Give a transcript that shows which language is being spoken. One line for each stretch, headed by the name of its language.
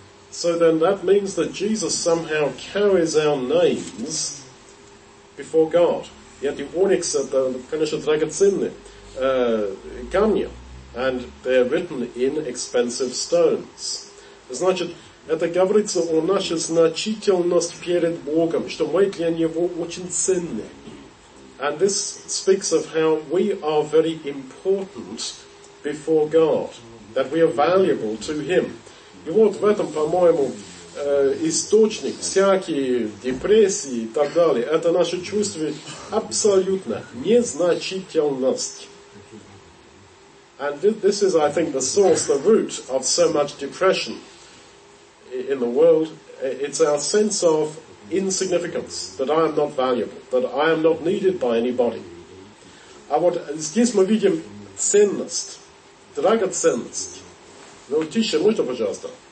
English: So then that means that Jesus somehow carries our names before God.
Russian: И эти оникса, конечно, драгоценные камни,
English: and they're written in expensive stones.
Russian: Значит, это говорится о нашей значительности перед Богом, что мы для Него очень ценны.
English: And this speaks of how we are very important before God, that we are valuable to Him.
Russian: И вот в этом, по-моему, источник всякие депрессии и так далее. Это наше чувство абсолютно незначительности.
English: And this is, I think, the source, the root of so much depression in the world. It's our sense of insignificance, that I am not valuable, that I am not needed by anybody.
Russian: А вот здесь мы видим ценность, драгоценность. Ну, тише, можно, пожалуйста?